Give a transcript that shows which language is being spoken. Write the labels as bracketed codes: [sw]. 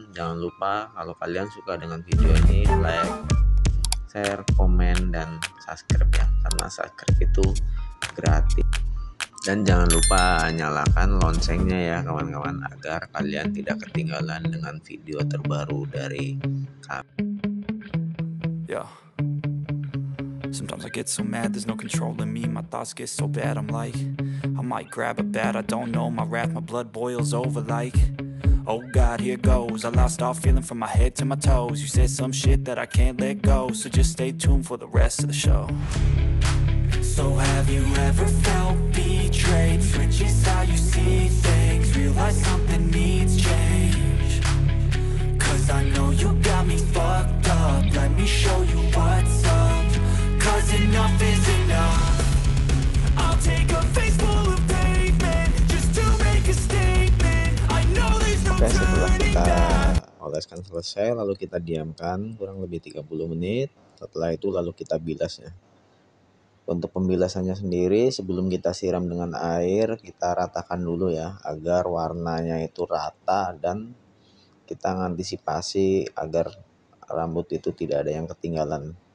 [id] Jangan lupa kalau kalian suka dengan video ini, like, share, komen, dan subscribe ya, karena subscribe itu gratis. Dan jangan lupa nyalakan loncengnya ya kawan-kawan, agar kalian tidak ketinggalan dengan video terbaru dari kami. [en] Sometimes I get so mad, there's no control in me. My thoughts get so bad, I'm like, I might grab a bat, I don't know. My wrath, my blood boils over like, oh God, here goes. I lost all feeling from my head to my toes. You said some shit that I can't let go. So just stay tuned for the rest of the show. So have you ever felt betrayed? Switches how you see things. Realize something needs change. Cause I know you got me fucked up. Let me show you what's up. Enough is enough. I'll take a face full of pavement just to make a statement. I know there's no turning back. [id] Oleskan selesai, lalu kita diamkan kurang lebih 30 menit. Setelah itu lalu kita bilas ya. Untuk pembilasannya sendiri, sebelum kita siram dengan air, kita ratakan dulu ya, agar warnanya itu rata dan kita mengantisipasi agar rambut itu tidak ada yang ketinggalan.